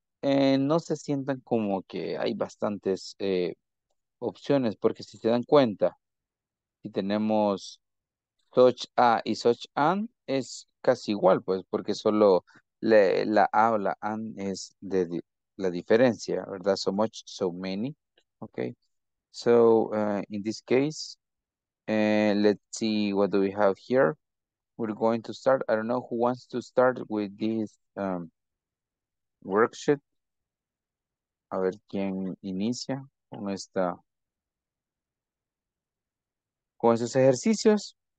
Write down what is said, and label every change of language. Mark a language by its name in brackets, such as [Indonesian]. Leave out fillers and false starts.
[Spanish] No se sientan como que hay bastantes opciones, porque si se dan cuenta, si tenemos such a y such an, es casi igual, pues, porque solo la a o la an es de la diferencia, ¿verdad? [English] So much, so many, okay? So, in this case, let's see what do we have here. We're going to start. I don't know who wants to start with this worksheet. [Spanish] A ver quién inicia con esta con esos ejercicios.